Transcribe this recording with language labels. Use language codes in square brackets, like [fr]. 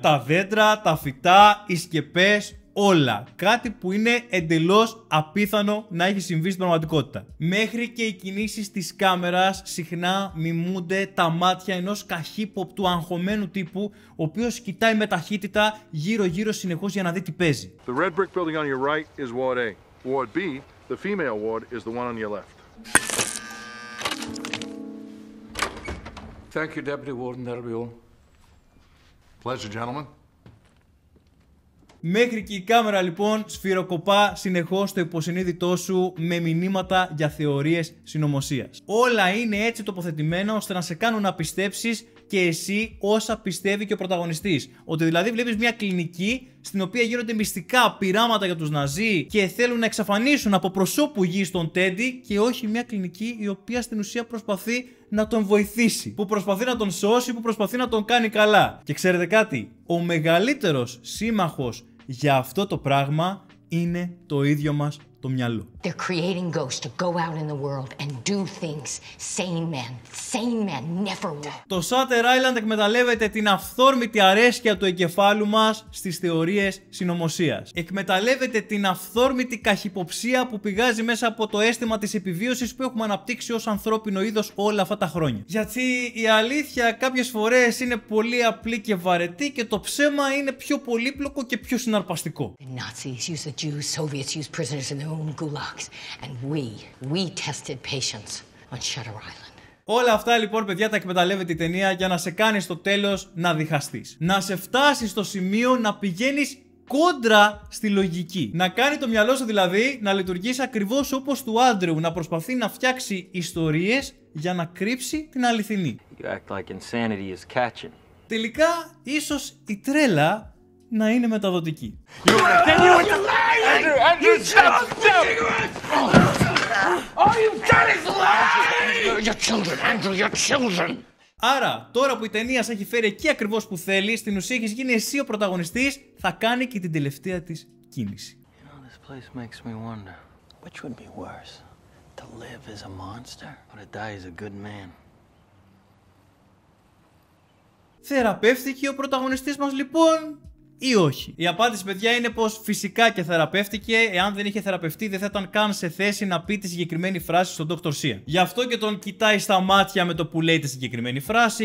[el] Τα δέντρα, τα φυτά, οι σκεπές, όλα. Κάτι που είναι εντελώς απίθανο να έχει συμβεί στην πραγματικότητα. Μέχρι και οι κινήσεις της κάμερας συχνά μιμούνται τα μάτια ενός καχύποπτου αγχωμένου τύπου, ο οποίος κοιτάει με ταχύτητα γύρω-γύρω συνεχώς για να δει τι παίζει. [en] The red brick building on your right is Ward A. Ward B, the female ward, is the one on your left. Thank you, Deputy Warden. That'll be all. Pleasure, gentlemen. [el] Μέχρι και η κάμερα λοιπόν σφυροκοπά συνεχώς το υποσυνείδητό σου με μηνύματα για θεωρίες συνωμοσίας. Όλα είναι έτσι τοποθετημένα ώστε να σε κάνουν να πιστέψεις και εσύ όσα πιστεύει και ο πρωταγωνιστής. Ότι δηλαδή βλέπεις μια κλινική στην οποία γίνονται μυστικά πειράματα για τους Ναζί και θέλουν να εξαφανίσουν από προσώπου γης τον Τέντι και όχι μια κλινική η οποία στην ουσία προσπαθεί να τον βοηθήσει, που προσπαθεί να τον σώσει, που προσπαθεί να τον κάνει καλά. Και ξέρετε κάτι, ο μεγαλύτερος σύμμαχος για αυτό το πράγμα είναι το ίδιο μας το μυαλό. [en] They're creating ghosts to go out in the world and do things sane men. Sane men never will. [el] Το Shutter Island εκμεταλλεύεται την αυθόρμητη αρέσκεια του εγκεφάλου μας στις θεωρίες συνωμοσίας. Εκμεταλλεύεται την αυθόρμητη καχυποψία που πηγάζει μέσα από το αίσθημα της επιβίωσης που έχουμε αναπτύξει ως ανθρώπινο είδος όλα αυτά τα χρόνια. Γιατί η αλήθεια κάποιες φορές είναι πολύ απλή και βαρετή και το ψέμα είναι πιο πολύπλοκο και πιο συναρπαστικό. [en] The Nazis use the Jews, Soviets use prisoners in their own gulags, and we tested patients on Shutter Island. [el] Όλα αυτά λοιπόν, παιδιά, τα εκμεταλλεύεται η ταινία για να σε κάνει στο τέλος να διχαστείς. Να σε φτάσει στο σημείο να πηγαίνεις κόντρα στη λογική. Να κάνει το μυαλό σου δηλαδή να λειτουργείς ακριβώς όπως του Άντρεου, να προσπαθεί να φτιάξει ιστορίες για να κρύψει την αληθινή. [en] You act like insanity is catching. [el] Τελικά, ίσως η τρέλα να είναι μεταδοτική. [en] Your children, Andrew, your children. [el] Άρα, τώρα που η ταινία σε έχει φέρει εκεί ακριβώς που θέλει, στην ουσία έχεις γίνει εσύ ο πρωταγωνιστής, θα κάνει και την τελευταία της κίνηση. [en] You know, this place makes me wonder, which would be worse, to live as a monster or to die as a good man. [el] Θεραπεύτηκε ο πρωταγωνιστής μας λοιπόν ή όχι? Η απάντηση, παιδιά, είναι πως φυσικά και θεραπεύτηκε. Εάν δεν είχε θεραπευτεί, δεν θα ήταν καν σε θέση να πει τη συγκεκριμένη φράση στον Dr. Sean. Γι' αυτό και τον κοιτάει στα μάτια με το που λέει τη συγκεκριμένη φράση.